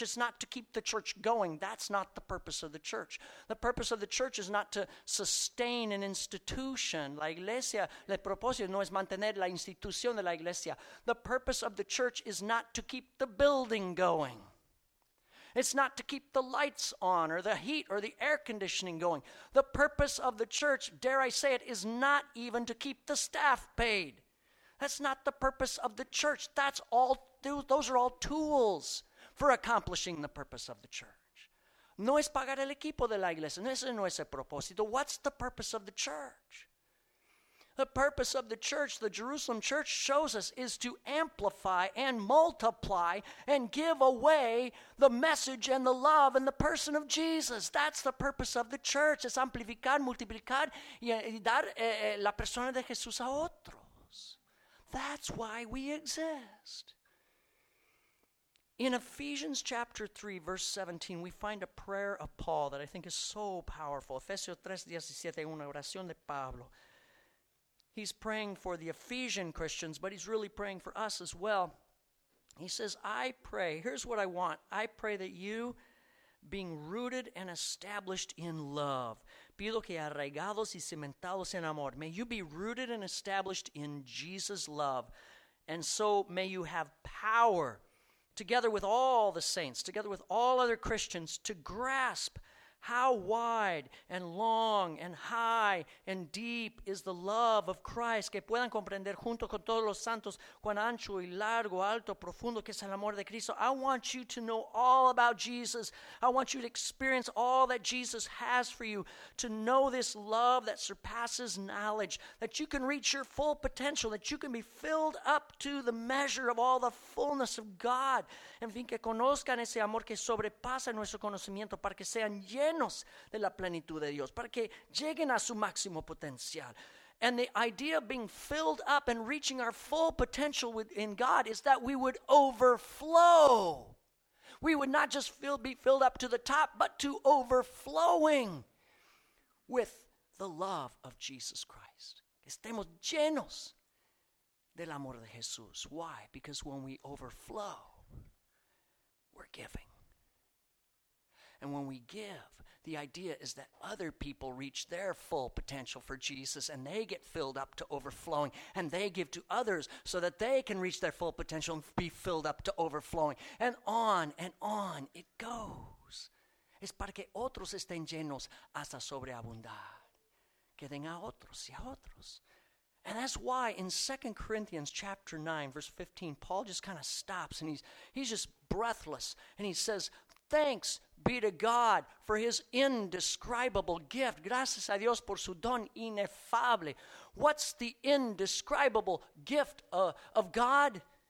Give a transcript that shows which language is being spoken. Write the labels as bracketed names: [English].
[English] It's not to keep the church going. That's not the purpose of the church. The purpose of the church is not to sustain an institution. [Spanish] La iglesia, el propósito no es mantener la institución de la iglesia. [English] The purpose of the church is not to keep the building going. It's not to keep the lights on or the heat or the air conditioning going. The purpose of the church, dare I say it, is not even to keep the staff paid. That's not the purpose of the church. That's all. Those are all tools for accomplishing the purpose of the church. [Spanish] No es pagar el equipo de la iglesia. No, ese no es el propósito. What's the purpose of the church? [English] The purpose of the church, the Jerusalem church shows us, is to amplify and multiply and give away the message and the love and the person of Jesus. That's the purpose of the church. [Spanish] Es amplificar, multiplicar y dar la persona de Jesús a otros. [English] That's why we exist. In Ephesians chapter 3, verse 17, we find a prayer of Paul that I think is so powerful. Efesios 3, 17, una oración de Pablo. He's praying for the Ephesian Christians, but he's really praying for us as well. He says, I pray, here's what I want. I pray that you, being rooted and established in love. Pido que arraigados y cimentados en amor. May you be rooted and established in Jesus' love. And so may you have power, together with all the saints, together with all other Christians, to grasp how wide and long and high and deep is the love of Christ. [Spanish] Que puedan comprender junto con todos los santos cuán ancho y largo, alto, profundo que es el amor de Cristo. [English] I want you to know all about Jesus. I want you to experience all that Jesus has for you. To know this love that surpasses knowledge. That you can reach your full potential. That you can be filled up to the measure of all the fullness of God. [Spanish] En fin, que conozcan ese amor que sobrepasa nuestro conocimiento para que sean llenos de la plenitud de Dios, para que lleguen a su máximo potencial. [English] And the idea of being filled up and reaching our full potential in God is that we would overflow. We would not just be filled up to the top, but to overflowing with the love of Jesus Christ. [Spanish] Estemos llenos del amor de Jesús. Why? [English] Because when we overflow, we're giving. And when we give, the idea is that other people reach their full potential for Jesus and they get filled up to overflowing and they give to others so that they can reach their full potential and be filled up to overflowing. And on it goes. [Spanish] Es para que otros estén llenos hasta sobreabundar. Que den a otros y a otros. [English] And that's why in 2 Corinthians chapter 9, verse 15, Paul just kind of stops and he's just breathless and he says, thanks be to God for his indescribable gift. [Spanish] Gracias a Dios por su don inefable. What's the indescribable gift of God?